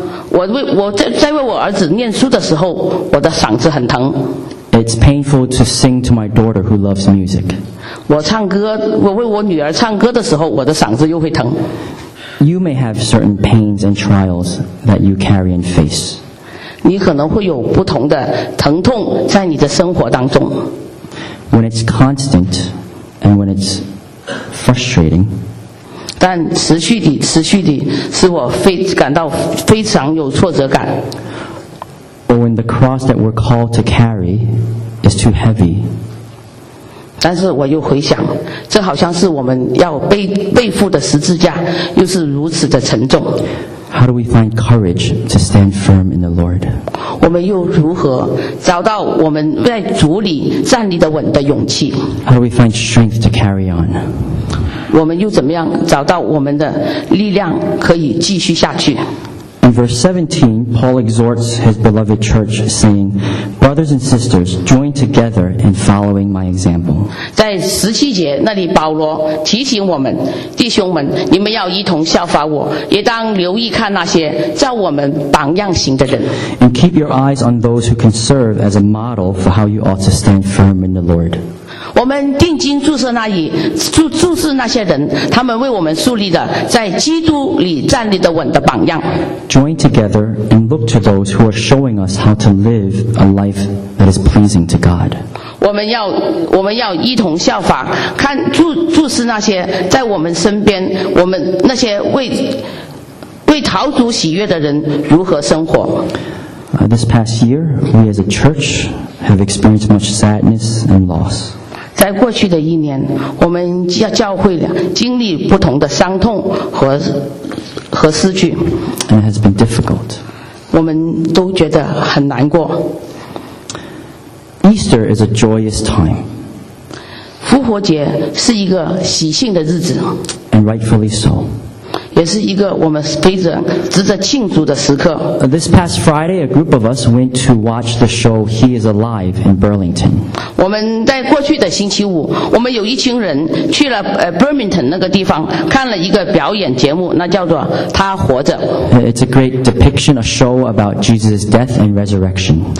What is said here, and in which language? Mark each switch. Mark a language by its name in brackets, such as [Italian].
[Chinese] 我在为我儿子念书的时候，我的嗓子很疼。 [English] It's painful to sing to my daughter who loves music. [Chinese] 我唱歌，我为我女儿唱歌的时候，我的嗓子又会疼。 [English] You may have certain pains and trials that you carry and face. [Chinese] 你可能会有不同的疼痛在你的生活当中。 [English] When it's constant and when it's frustrating. [Chinese] 但持续地使我感到非常有挫折感。 [English] Or when the cross that we're called to carry is too heavy. [Chinese] 但是我又回想，这好像是我们要背负的十字架，又是如此的沉重。 [English] How do we find courage to stand firm in the Lord? [Chinese] 我们又如何找到我们在主里站立的稳的勇气？ [English] How do we find strength to carry on? [Chinese] 我们又怎么样找到我们的力量可以继续下去？ [English] In verse 17, Paul exhorts his beloved church, saying, "Brothers and sisters, join together in following my example." [Chinese] 在十七节那里，保罗提醒我们，弟兄们，你们要一同效法我，也当留意看那些照我们榜样行的人。 [English] And keep your eyes on those who can serve as a model for how you ought to stand firm in the Lord. [Chinese] 我们定睛注视那些人，他们为我们树立的在基督里站立的稳的榜样。 [English] Join together and look to those who are showing us how to live a life that is pleasing to God. [Chinese] 我们要一同效法，看注视那些在我们身边，我们那些为陶主喜悦的人如何生活。 [English] This past year, we as a church have experienced much sadness and loss. [Chinese] 在过去的一年，我们教会了经历不同的伤痛和失去。 [English] And it has been difficult. [Chinese] 我们都觉得很难过。 [English] Easter is a joyous time. [Chinese] 复活节是一个喜庆的日子。 [English] And rightfully so. [Chinese] 也是一个我们值得庆祝的时刻。 [English] This past Friday, a group of us went to watch the show He is Alive in Burlington. [Chinese] 我们在过去的星期五，我们有一群人去了Burlington 那个地方，看了一个表演节目，那叫做他活着。 [English] It's a great depiction, a show about Jesus' death and resurrection.